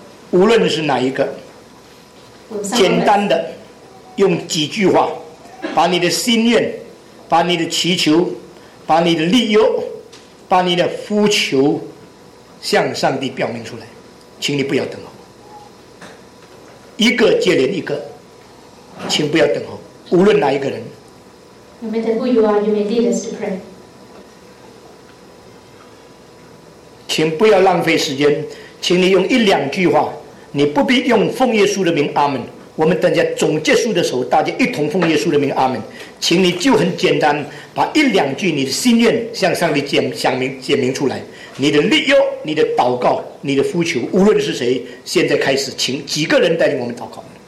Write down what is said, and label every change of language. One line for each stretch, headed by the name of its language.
Chinese: 无论是哪一个，简单的用几句话，把你的心愿、把你的祈求、把你的利忧。把你的呼求向上帝表明出来，请你不要等候，一个接连一个，请不要等候，无论哪一个人。
English: No matter who you are, you may lead us to pray.
Chinese: 请不要浪费时间，请你用一两句话，你不必用奉耶稣的名阿们。我们等下总结束的时候，大家一同奉耶稣的名阿们。请你就很简单，把一两句你的心愿向上帝讲明出来，你的利忧、你的祷告、你的呼求，无论是谁，现在开始，请几个人带领我们祷告。